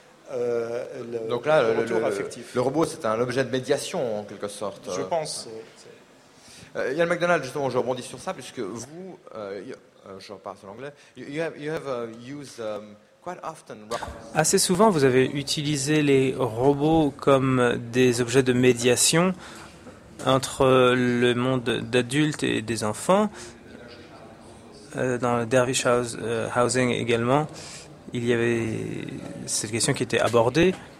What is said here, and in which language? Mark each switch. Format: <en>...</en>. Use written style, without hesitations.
<fr>Le robot, c'est un objet de médiation en quelque sorte. Je pense. Ian McDonald, justement, je rebondis sur ça puisque vous, je repars en anglais.</fr> <en>You have used quite often.</en> <fr>Assez souvent, vous avez utilisé les robots comme des objets de médiation entre le monde d'adultes et des enfants. Dans le Dervish Housing également, il y avait cette question qui était abordée.</fr>